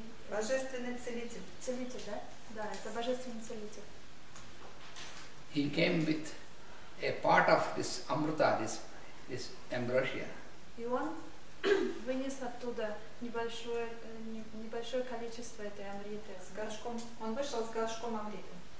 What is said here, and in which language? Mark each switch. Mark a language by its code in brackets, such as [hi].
[ru] божественный целитель. Целитель, да? Да, это божественный целитель. [en] He came with a part of this Amrita, this ambrosia. [ru] И он вынес оттуда небольшое количество этой амриты. С горшком. Он вышел с горшком амриты.